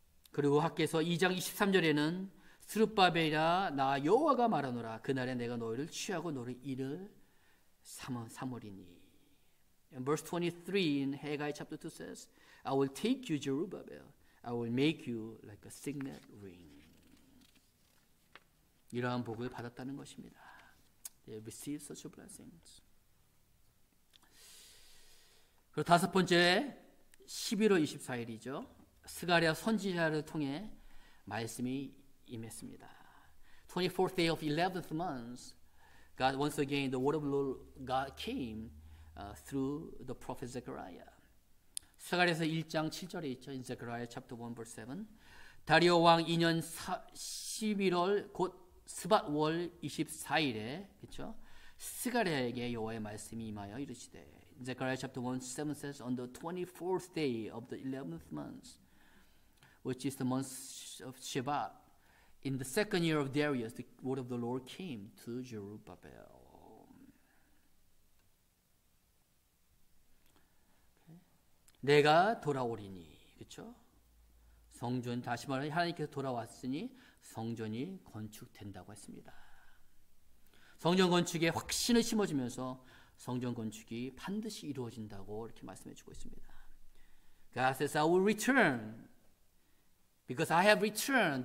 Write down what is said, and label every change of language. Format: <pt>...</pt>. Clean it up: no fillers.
<ko>그리고 학개서 2장 23절에는 스룹바벨아 나 여호와가 말하노라 그날에 내가 너희를 취하고 너를 이를 삼으리니.</ko> <en>And verse 23 in Haggai chapter 2 says, I will take you, Zerubbabel. I will make you like a signet ring.</en> <ko>이러한 복을 받았다는 것입니다.</ko> <en>They receive such blessings.</en> <ko>그리고 다섯 번째, 11월 24일이죠. 스가랴 선지자를 통해 말씀이 임했습니다.</ko> <en>24th day of 11th month, God once again, the word of Lord God came through the prophet Zechariah.</en> <ko>스가랴서 1장 7절에 있죠.</ko> <en>In Zechariah chapter 1 verse 7.</en> <ko>다리오 왕 2년 11월 곧 스바월 24일에 그렇죠? 스가랴에게 여호와의 말씀이 임하여 이르시되</ko> <en>Zechariah chapter 1 7 says on the 24th day of the 11th month which is the month of Shebat in the second year of Darius the word of the Lord came to Zerubbabel.</en> <ko>내가 돌아오리니 그렇죠? 성전 다시 말해 하나님께서 돌아왔으니 성전이 건축된다고 했습니다. 성전 건축에 확신을 심어주면서 성전 건축이 반드시 이루어진다고 이렇게 말씀해주고 있습니다.</ko> <en>God says, I will return because I have returned.</en>